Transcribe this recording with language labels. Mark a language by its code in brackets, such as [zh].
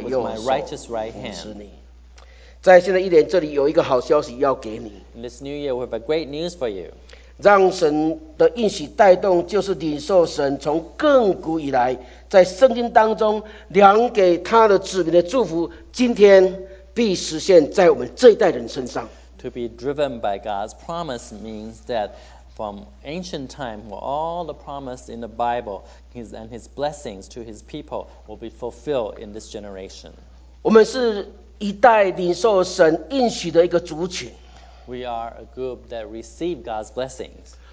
[zh] 你不要害怕，因为我与你同在。不要惊慌，因为我是你的神。我必坚固你，我必帮助你，我必用公义的右手扶持你。在新的一年，这里有一个好消息要给你。 [en] In this new year, we have a great news for you. [zh] 让神的应许带动，就是领受神从亘古以来在圣经当中量给他的子民的祝福，今天必实现在我们这一代人身上。 [en] To be driven by God's promise means that from ancient time, all the promise in the Bible and His blessings to His people will be fulfilled in this generation. [zh] 我们是 一代领受神应许的一个族群。 [en] We are a group that receive God's blessings.